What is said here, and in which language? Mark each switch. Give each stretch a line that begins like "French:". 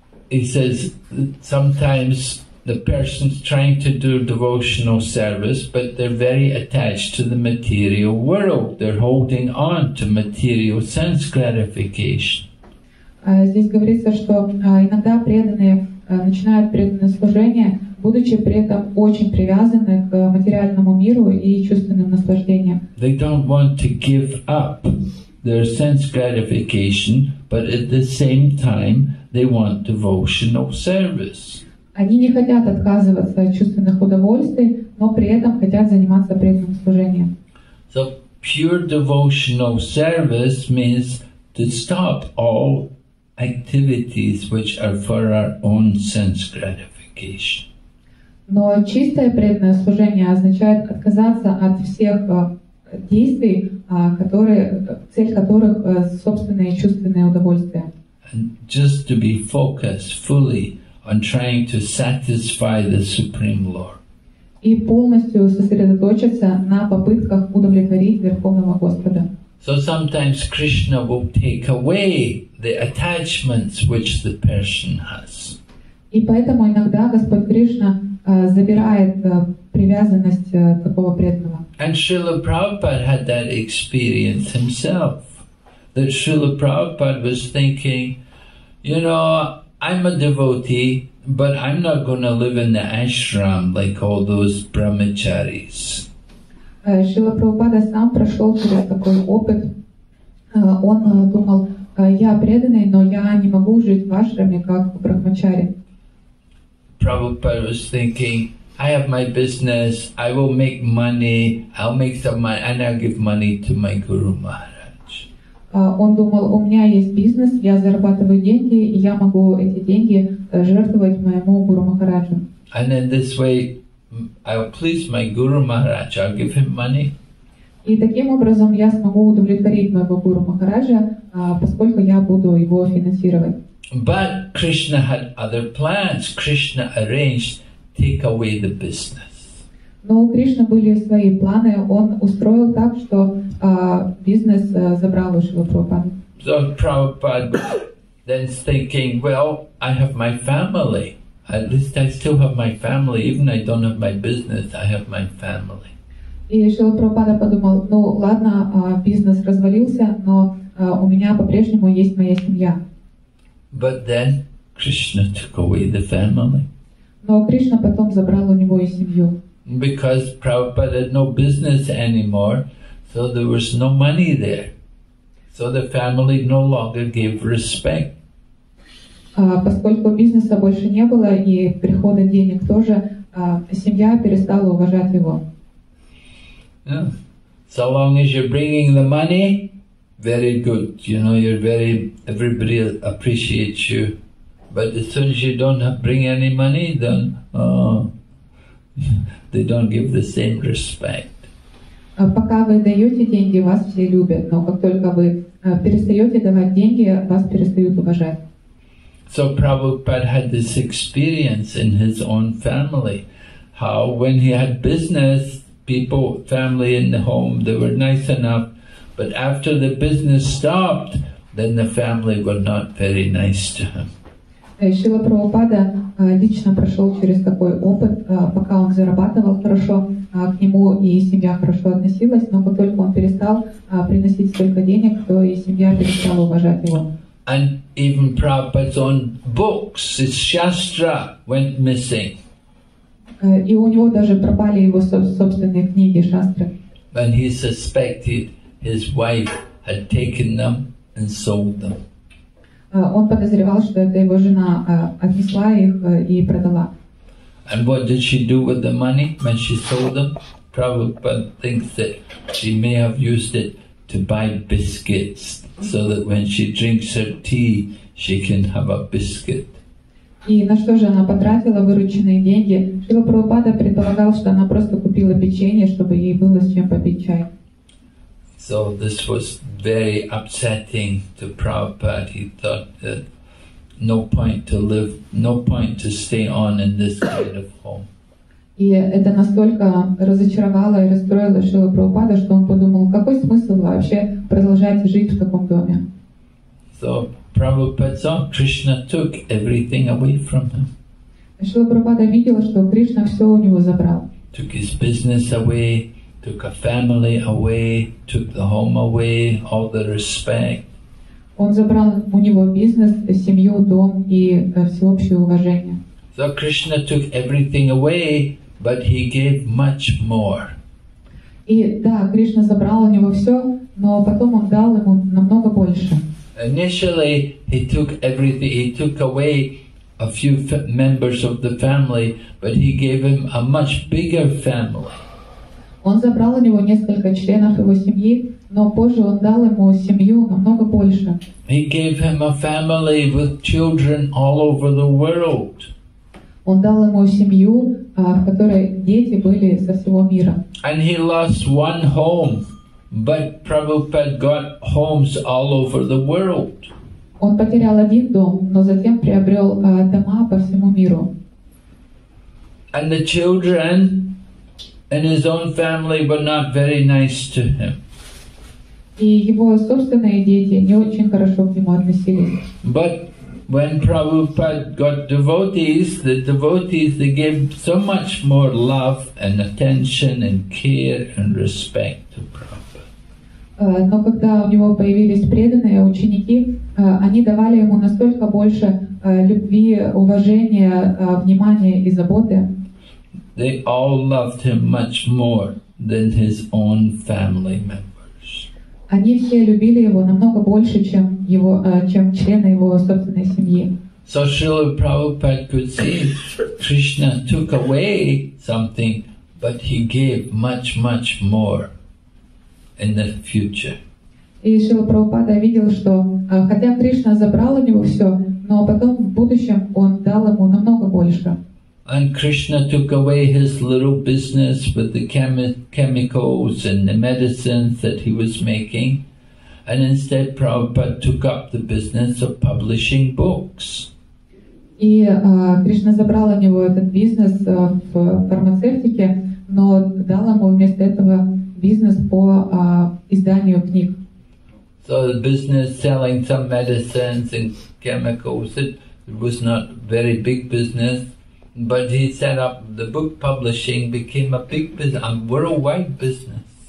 English: He says that sometimes the person's trying to do devotional service, but they're very attached to the material world. They're holding on to material sense gratification.
Russian: Здесь говорится, что иногда преданные начинают преданное служение, будучи при этом очень привязаны к материальному миру и чувственным наслаждениям.
English: They don't want to give up their sense gratification, but at the same time they want devotional service.
Russian: Они не хотят отказываться от чувственных удовольствий, но при этом хотят заниматься преданным служением.
English: So pure devotional service means to stop all activities which are for our own sense gratification.
Russian: Но чистое преданное служение означает отказаться от всех действий, которые, цель которых — собственные чувственные удовольствия.
English: And just to be focused fully on trying to satisfy the Supreme Lord.
Russian: И полностью сосредоточиться на попытках удовлетворить Верховного Господа.
English: So sometimes Krishna will take away the attachments which the person has.
Russian: И поэтому иногда Господь Кришна забирает привязанность такого преданного.
English: And Srila Prabhupada had that experience himself. That Srila Prabhupada was thinking, you know, I'm a devotee, but I'm not going to live in the ashram like all those brahmacharis.
Russian: Srila Prabhupada сам прошел через такой опыт. Он думал, я преданный, но я не могу жить в ашраме как брахмачари.
English: Prabhupada was thinking, I have my business, I will make money, I'll make some money, and I'll give money to my Guru Maharaj.
Russian: Он думал, у меня есть бизнес, я зарабатываю деньги, и я могу эти деньги жертвовать моему Гуру Махараджу.
English: And in this way, I'll please my Guru Maharaj, I'll give him money.
Russian: И таким образом я смогу удовлетворить моего Гуру Махараджа, поскольку я буду его финансировать.
English: But Krishna had other plans. Krishna arranged take away the business.
Russian: Но у Кришны были свои планы. Он устроил так, что бизнес забрал у Шрилы Прабхупады.
English: So Prabhupada then thinking, well, I have my family. At least I still have my family, even I don't have my business, I have my family.
Russian: И Шрила Прабхупада подумал, ну ладно, бизнес развалился, но у меня по-прежнему есть моя семья.
English: But then Krishna took away the family.
Russian: Но Кришна потом забрал у него и семью.
English: Because Prabhupada had no business anymore, so there was no money there. So the family no longer gave respect.
Russian: Поскольку бизнеса больше не было и прихода денег тоже, семья перестала уважать его.
English: So long as you're bringing the money, very good. You know, you're very, everybody appreciates you. But as soon as you don't bring any money, then they don't give the same respect.
Russian: Пока вы даете деньги, вас все любят, но как только вы перестаете давать деньги, вас перестают уважать.
English: So Prabhupada had this experience in his own family, how when he had business, people, family in the home, they were nice enough, but after the business stopped, then the family were not very nice to him.
Russian: Шрила Прабхупада лично прошел через такой опыт, пока он зарабатывал хорошо, к нему и семья хорошо относилась, но как только он перестал приносить столько денег, то и семья перестала уважать его.
English: And even Prabhupada's own books, his shastra, went missing.
Russian: И у него даже пропали его собственные книги, шастры.
English: And he suspected his wife had taken them and sold them.
Russian: Он подозревал, что это его жена отнесла их и продала.
English: And what did she do with the money when she sold them? Prabhupada thinks that she may have used it to buy biscuits. So that when she drinks her tea, she can have a biscuit.
Russian: И на что же она потратила вырученные деньги? Шрила Прабхупада предполагал, что она просто купила печенье, чтобы ей было с чем попить чай.
English: So this was very upsetting to Prabhupada. He thought that no point to live, no point to stay on in this kind of home.
Russian: И это настолько разочаровало и расстроило Шрилу Прабхупаду, что он подумал, какой смысл вообще продолжать жить в таком доме.
English: So Prabhupada saw Krishna took everything away from him.
Russian: Шрила Прабхупада видел, что Кришна все у него забрал.
English: Took his business away, took a family away, took the home away, all the respect.
Russian: Он забрал у него бизнес, семью, дом и всеобщее уважение.
English: So Krishna took everything away, but he gave much more.
Russian: И да, Кришна забрал у него все, но потом он дал ему намного больше.
English: Initially, he took everything. He took away a few members of the family, but he gave him a much bigger family.
Russian: Он забрал у него несколько членов его семьи, но позже он дал ему семью намного больше.
English: He gave him a family with children all over the world.
Russian: Он дал ему семью, в которой дети были со всего мира.
English: And he lost one home, but Prabhupada got homes all over the world.
Russian: Он потерял один дом, но затем приобрел дома по всему миру.
English: And the children in his own family were not very nice to him.
Russian: И его собственные дети не очень хорошо к нему относились.
English: But when Prabhupada got devotees, the devotees, they gave so much more love and attention and care and respect to Prabhupada.
Russian: Но когда у него появились преданные ученики, они давали ему настолько больше любви, уважения, внимания и заботы.
English: They all loved him much more than his own family members.
Russian: Они все любили его намного больше, чем его, чем члены его собственной семьи.
English: So Srila Prabhupada could see Krishna took away something, but he gave much, much more in the future.
Russian: И Шрила Прабхупада видел, что хотя Кришна забрал у него все, но потом в будущем он дал ему намного больше.
English: And Krishna took away his little business with the chemicals and the medicines that he was making, and instead Prabhupada took up the business of publishing books.
Russian: И Кришна забрал у него этот бизнес в фармацевтике, но дал ему вместо этого бизнес по изданию книг.
English: So the business selling some medicines and chemicals, it was not very big business. But he set up the book publishing, became a big business, a worldwide business.